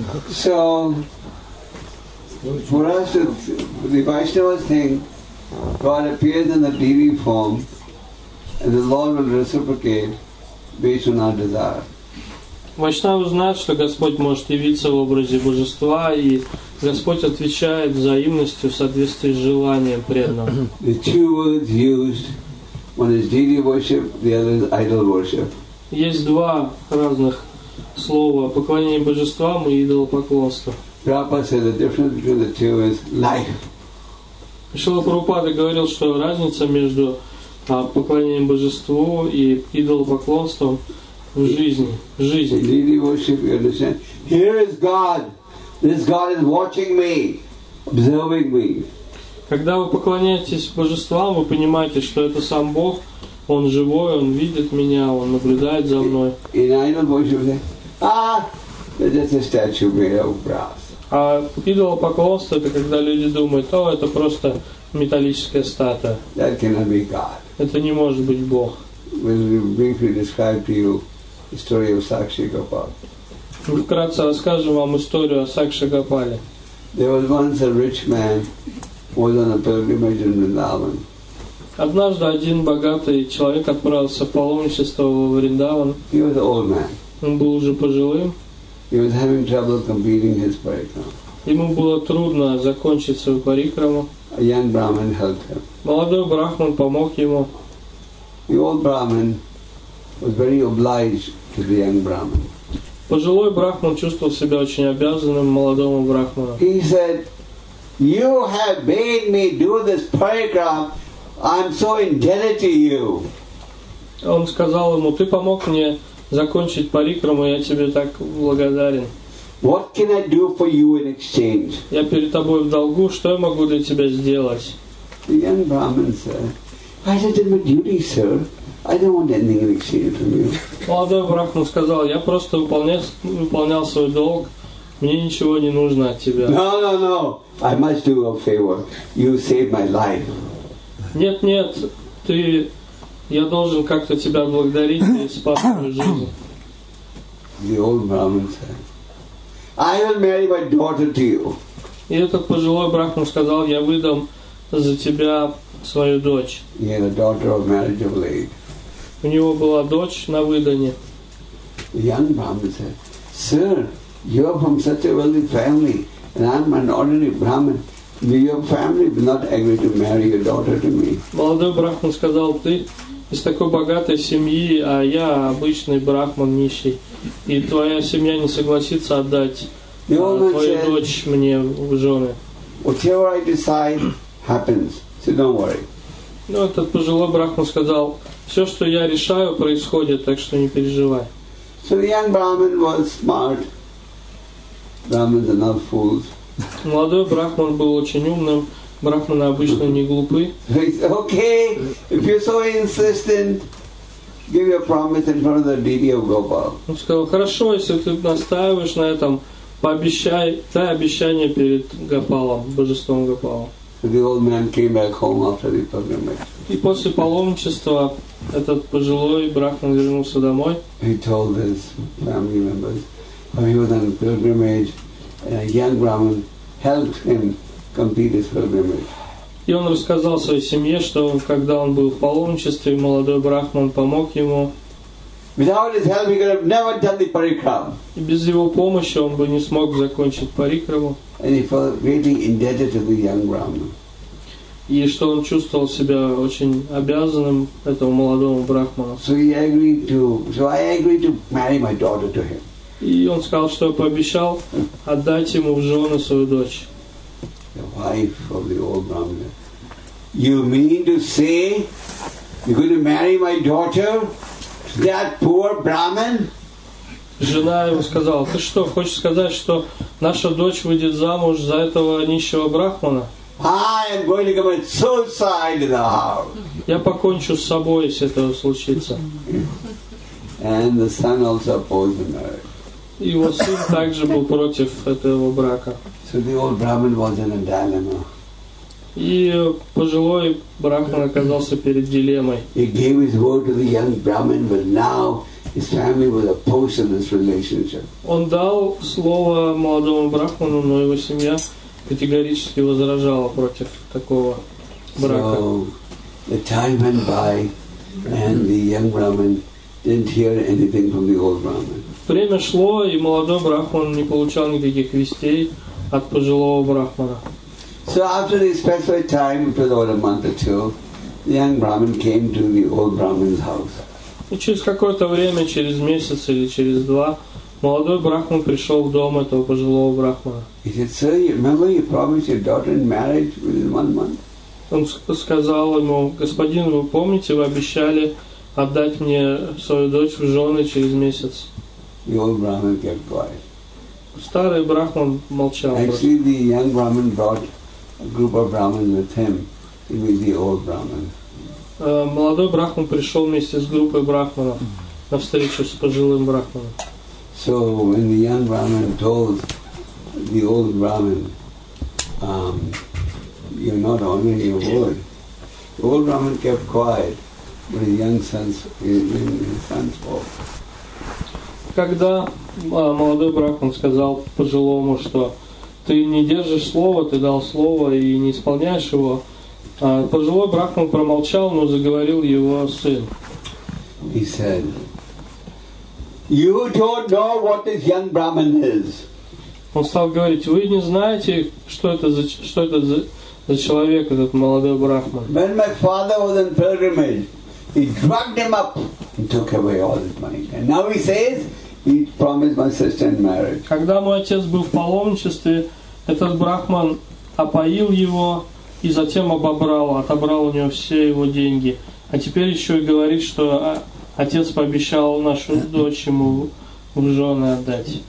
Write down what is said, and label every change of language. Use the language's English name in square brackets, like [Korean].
[English] So, for us, the Vaishnava thing, God appears in the deity form, and the Lord will reciprocate based on our desire. [Russian] Вайшнавы знают, что Господь может явиться в образе Божества, и Господь отвечает взаимностью в соответствии с желанием преданного. [English] The two words used, one is deity worship, the other is idol worship. [Russian] Есть два разных слова: поклонение Божествам и идолопоклонство. [English] Prabhupada said the difference between the two is life. [Russian] Шрила Прабхупада говорил, что разница между поклонением Божеству и идолопоклонством в жизни. [English] Deity worship, you understand? Here is God. This God is watching me, observing me. [Russian] Когда вы поклоняетесь Божествам, вы понимаете, что это сам Бог, Он живой, Он видит меня, Он наблюдает за мной. [English] In idol worship, that's a statue made of brass. [Russian] А идолопоклонство — это когда люди думают, о, это просто металлическая статуя. [English] That cannot be God. [Russian] Это не может быть Бог. [English] The story of Sakshi Gopal. [Russian] Вкратце расскажем вам историю о Сакши Гопале. [English] There was once a rich man who was on a pilgrimage in Vrindavan. [Russian] Однажды один богатый человек отправился в паломничество в Вриндаван. [English] He was an old man. [Russian] Он был уже пожилым. [English] He was having trouble completing his parikrama. [Russian] Ему было трудно закончить свою парикраму. [English] A young Brahmin helped him. [Russian] Молодой брахман помог ему. [English] The old Brahmin was very obliged to the young Brahmin. [Russian] Пожилой брахман чувствовал себя очень обязанным молодому брахману. [English] He said, "You have made me do this parikrama. I'm so indebted to you." [Russian] Он сказал ему: "Ты помог мне закончить парикраму, я тебе так благодарен." [English] What can I do for you in exchange? [Russian] Я перед тобой в долгу. Что я могу для тебя сделать? [English] The young Brahmin said, "I just did my duty, sir. I don't want anything in exchange from you." [Russian] Молодой брахман сказал: "Я просто выполнял свой долг. Мне ничего не нужно от тебя." [English] No, no, no. I must do a favor. You saved my life. [Russian] Нет, нет. Я должен как-то тебя благодарить. Ты спас мою жизнь. [English] The old Brahmin said, "I will marry my daughter to you." [Russian] И этот пожилой брахман сказал: "Я выдам за тебя свою дочь." [English] He had a daughter of marriageable age. [Russian] У него была дочь на выдане. [English] The young Brahmin said, "Sir, you are from such a wealthy family, and I am an ordinary Brahmin. Do your family not agree to marry your daughter to me?" [Russian] Молодой брахман сказал: "Ты из такой богатой семьи, а я обычный брахман, нищий, и твоя семья не согласится отдать твою дочь мне в жены." [English] Whatever I decide happens, so don't worry. [Russian] Ну, этот пожилой брахман сказал: "Все, что я решаю, происходит, так что не переживай." [English] So the young Brahmin was smart. Brahmins are not fools. [Russian] Молодой брахман был очень умным. Брахманы обычно не глупы. [English] Okay, if you're so insistent, give your promise in front of the deity of Gopal. [Russian] Он сказал: "Хорошо, если ты настаиваешь на этом, пообещай, дай обещание перед Гопалом, божеством Гопалом." [English] So the old man came back home after the pilgrimage. [Russian] И после паломничества этот пожилой брахман вернулся домой. [English] He told his family members, he was on pilgrimage, and a young Brahmin helped him complete his pilgrimage. [Russian] И он рассказал своей семье, что когда он был в паломничестве, молодой брахман помог ему. [English] Without his help, he could have never done the parikrama. [Russian] И без его помощи он бы не смог закончить парикраму. [English] And he felt really indebted to the young Brahmin. [Russian] И что он чувствовал себя очень обязанным этому молодому брахману. [English] So I agreed to marry my daughter to him. [Russian] И он сказал, что пообещал отдать ему в жены свою дочь. [English] The wife of the old Brahmin. "You mean to say you're going to marry my daughter to that poor Brahmin?" [Russian] Жена ему сказала: "Ты что, хочешь сказать, что наша дочь выйдет замуж за этого нищего брахмана?" [English] "I am going to commit suicide in the house." [Russian] Я покончу с собой, если это случится. [English] And the son also opposed the marriage. [Russian] его сын также был против этого брака. [English] So the old Brahmin was in a dilemma. [Russian] И пожилой брахман оказался перед дилеммой. [English] He gave his word to the young Brahmin, but now his family was opposed in this relationship. [Russian] Он дал слово молодому брахману, но его семья категорически возражала против такого брака. [English] So the time went by, and the young Brahmin didn't hear anything from the old Brahmin. [Russian] Время шло, и молодой брахман не получал никаких вестей от пожилого брахмана. [English] So after the specified time, it was about a month or two, the young Brahmin came to the old Brahmin's house. [Russian] И через какое-то время, через месяц или через два, молодой брахман пришел в дом этого пожилого брахмана. [English] He said, "Sir, you remember you promised your daughter in marriage within 1 month?" [Russian] Он сказал ему: "Господин, вы помните, вы обещали отдать мне свою дочь в жены через месяц?" [English] The old Brahmin kept quiet. [Russian] Старый брахман молчал. [English] Actually, the young Brahmin brought a group of Brahmins with him. He was the old Brahmin. [Russian] Молодой брахман пришел вместе с группой брахманов на встречу с пожилым брахманом. [English] So when the young Brahmin told the old Brahmin, "You're not honoring your word," the old Brahmin kept quiet, but his young sons, his sons spoke. [Russian] Когда молодой брахман сказал пожилому, что ты не держишь слово, ты дал слово и не исполняешь его, пожилой брахман промолчал, но заговорил его сын. [English] He said, "You don't know what this young Brahmin is." [Russian] Он стал говорить: "Вы не знаете, что это за человек этот молодой брахман." [English] When my father was in pilgrimage, he dragged him up and took away all his money. And now he says, he promised my sister in marriage. [Russian] Когда мой отец был в паломничестве, этот брахман опоил его и затем отобрал у него все его деньги. А теперь еще и говорит, что отец пообещал нашу дочь ему в жены отдать.